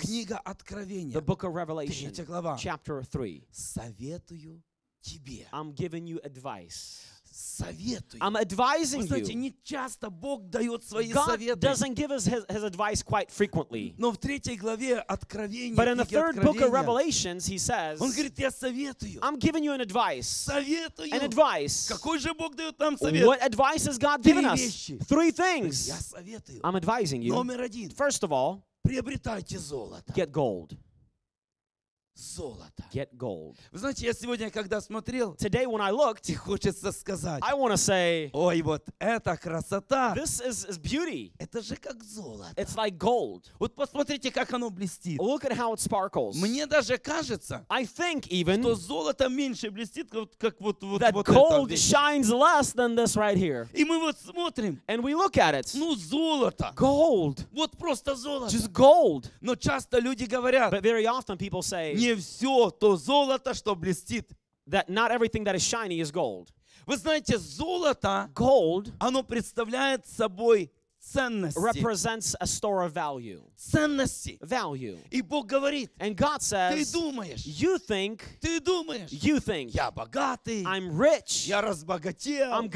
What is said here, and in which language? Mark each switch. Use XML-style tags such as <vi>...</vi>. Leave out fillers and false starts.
<ru>Книга Откровения.</ru> <en>The book of Revelation.</en> <ru>Третья глава.</ru> <en>Chapter 3.</en> <ru>Советую.</ru> <en>I'm giving you advice.</en> <ru>Советую.</ru> <en>I'm advising you.</en> <ru>Знаете, не часто Бог дает свои</ru> <en>God</en> <ru>советы.</ru> <en>God doesn't give us his advice quite frequently.</en> <ru>Но в третьей главе Откровения.</ru> <en>But in the third book of Revelations, he says.</en> <ru>Он говорит, я советую.</ru> <en>I'm giving you an advice.</en> <ru>Советую.</ru> <en>An advice.</en> <ru>Какой же Бог дает нам совет?</ru> <en>What advice has God given us? Three things.</en> <ru>Я советую.</ru> <en>I'm advising you.</en> <ru>Номер один.</ru> <en>First of all.</en> <ru>Приобретайте золото.</ru> <en>Get gold.</en> <ru>Золото.</ru> <en>Get gold.</en> <ru>Вы знаете, я сегодня, когда смотрел,</ru> <en>today when I looked,</en> <ru>и хочется сказать,</ru> <en>I want to say,</en> <ru>ой, вот это красота.</ru> <en>This is beauty.</en> <ru>Это же как золото.</ru> <en>It's like gold.</en> <ru>Вот посмотрите, как оно блестит.</ru> <en>Look at how it sparkles.</en> <ru>Мне даже кажется,</ru> <en>I think even,</en> <ru>что золото меньше блестит, как вот вот</ru> <en>that</en> <ru>вот</ru> <en>gold</en> <ru>это.</ru> <en>Shines less than this right here.</en> <ru>И мы вот смотрим,</ru> <en>and we look at it.</en> <ru>Ну золото.</ru> <en>Gold.</en> <ru>Вот просто золото.</ru> <en>Just gold.</en> <ru>Но часто люди говорят,</ru> <en>but very often people say.</en> <ru>Не все то золото, что блестит.</ru> <en>That not everything that is shiny is gold.</en> <ru>Вы знаете, золото,</ru> <en>gold,</en> <ru>оно представляет собой ценности.</ru> <en>Represents a store of value.</en> <ru>Ценности.</ru> <en>Value.</en> <ru>И Бог говорит.</ru> <en>And God says.</en> <ru>Ты думаешь.</ru> <en>You think.</en> <ru>Ты думаешь.</ru> <en>You think.</en> <ru>Я богатый.</ru> <en>I'm rich.</en> <ru>Я разбогател.</ru>